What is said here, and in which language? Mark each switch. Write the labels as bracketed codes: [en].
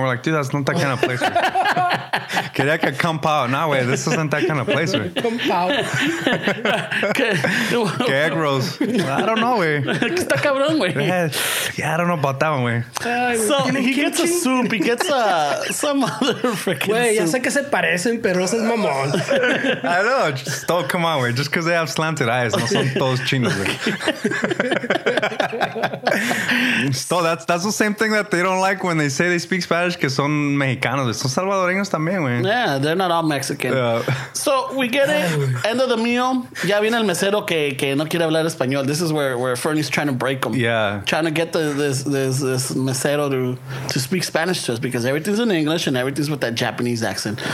[en] We're like, dude, that's not that kind of place. [es] Quería que come pao. [en] No, way, this isn't that kind of place. [es] Come pao. [en] Que egg rolls. I don't know, wey. [es] Está cabrón, wey. [en] Yeah, I don't know about that one, wey. So he gets a soup. He gets a some other freaking soup. [es] Wey, ya sé que se parecen, pero ese es mamón. [en] I know. Just, oh, come on, wey. Just because they have slanted eyes, [es] no son todos chinos. [en] So that's the same thing that they don't like when they say they speak Spanish, [es] que son mexicanos. Son salvadoreños también, wey. [en] Yeah, they're not all Mexican. So we get it. End of the meal. [es] Ya viene el mesero que no quiere hablar español. [en] This is where Fernie's trying to break him. Yeah. Trying to get this mesero to speak Spanish to us because everything's in English and everything's with that Japanese accent.